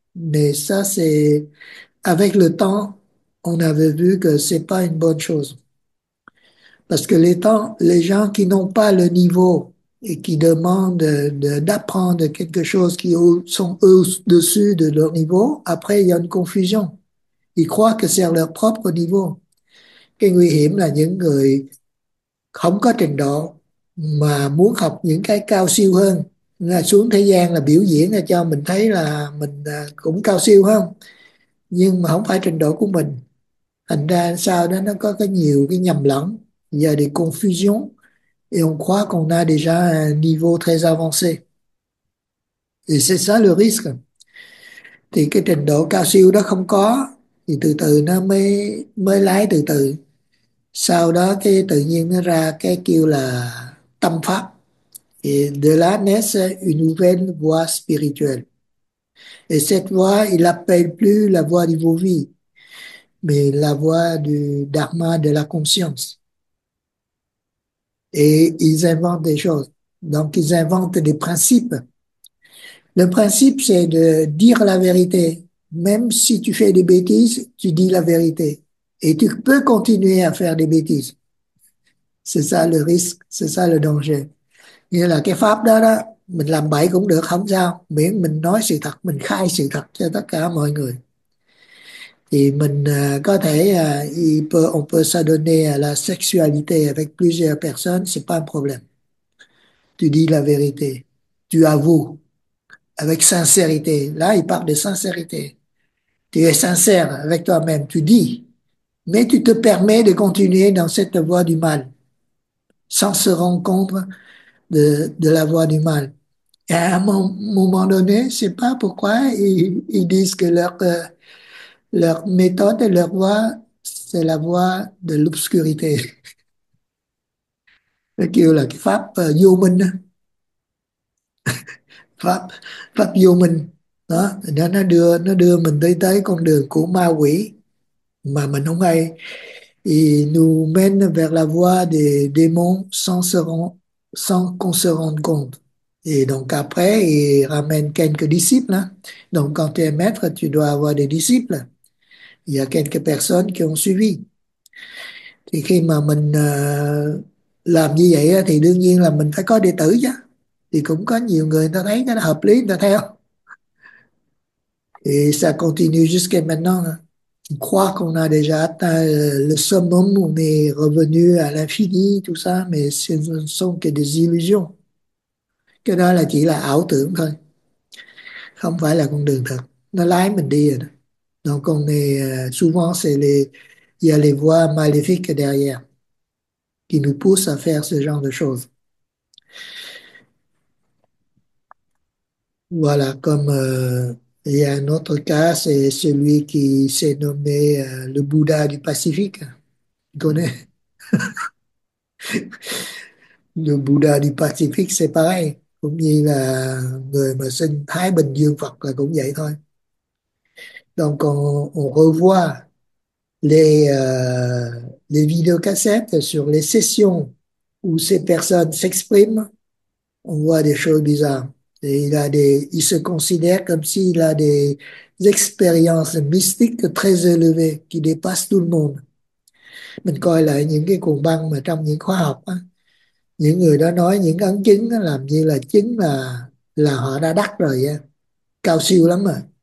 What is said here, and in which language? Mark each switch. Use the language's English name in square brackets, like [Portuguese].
[French] Mais ça, c'est, avec le temps, on avait vu que c'est pas une bonne chose. Parce que les gens qui n'ont pas le niveau et qui demandent d'apprendre quelque chose qui sont eux au-dessus de leur niveau, après, il y a une confusion. Ils croient que c'est leur propre niveau. [Vietnamese] Cái nguy hiểm là những người không có trình độ mà muốn học những cái cao siêu hơn, là xuống thế gian là biểu diễn là cho mình thấy là mình cũng cao siêu hơn, nhưng mà không phải trình độ của mình. Thành ra sau đó nó có cái nhiều cái nhầm lẫn, [French] il y a des confusions et on croit qu'on a déjà un niveau très avancé. Et c'est ça le risque. [Vietnamese] Thì cái trình độ cao siêu đó không có, thì từ từ nó mới mới lái từ từ. Sau đó cái tự nhiên nó ra cái kêu là tâm pháp. [French] Et de là naît une nouvelle voie spirituelle. Et cette voie, il l'appelle plus la voie du Vauvy, mais la voie du dharma de la conscience. Et ils inventent des choses. Donc, ils inventent des principes. Le principe, c'est de dire la vérité. Même si tu fais des bêtises, tu dis la vérité. Et tu peux continuer à faire des bêtises. C'est ça le risque, c'est ça le danger. [Vietnamese] Nghĩa là cái pháp đó đó, mình làm bậy cũng được, không sao. Miễn mình nói sự thật, mình khai sự thật cho tất cả mọi người. Thì mình có thể [French] on peut s'adonner à la sexualité avec plusieurs personnes, c'est pas un problème. Tu dis la vérité, tu avoues avec sincérité. Là, il parle de sincérité. Tu es sincère avec toi-même, tu dis, mais tu te permets de continuer dans cette voie du mal sans se rendre compte de la voie du mal. Et à un moment donné, c'est pas pourquoi ils disent que leur méthode et leur voie, c'est la voie de l'obscurité. [Vietnamese] Cái kiểu là cái pháp vô minh. Pháp pháp vô minh đó, nó đưa mình tới tới con đường của ma quỷ mà mình không hay. [French] Il nous mène vers la voie des démons sans qu'on se rende compte. Et donc après, il ramène quelques disciples. Hein. Donc quand tu es maître, tu dois avoir des disciples. Il y a quelques personnes qui ont suivi. [Vietnamese] Thì khi mà mình làm như vậy thì đương nhiên là mình phải có đệ tử chứ. Thì cũng có nhiều người ta thấy cái nó hợp lý, người ta theo. [French] Et ça continue jusqu'à maintenant. On croit qu'on a déjà atteint le summum, on est revenu à l'infini, tout ça, mais ce ne sont que des illusions. [Vietnamese] Cái đó là chỉ là ảo tưởng thôi. Không phải là con đường thật. Nó lái mình đi rồi đó. [French] Donc on est souvent c'est les il y a les voix maléfiques derrière qui nous poussent à faire ce genre de choses. Voilà, comme il y a un autre cas, c'est celui qui s'est nommé le Bouddha du Pacifique. Tu connais? Le Bouddha du Pacifique, c'est pareil, [Vietnamese] cũng như là người mà sinh Thái Bình Dương Phật là cũng vậy thôi. [French] Donc on revoit les vidéos cassettes sur les sessions où ces personnes s'expriment, on voit des choses bizarres. Et il se considère comme s'il a des expériences mystiques très élevées qui dépassent tout le monde. [Vietnamese] Mình coi lại những cái cuộn băng mà trong những khóa học, những người đó nói những ấn chứng làm như là chứng là họ đã đắc rồi, cao siêu lắm rồi.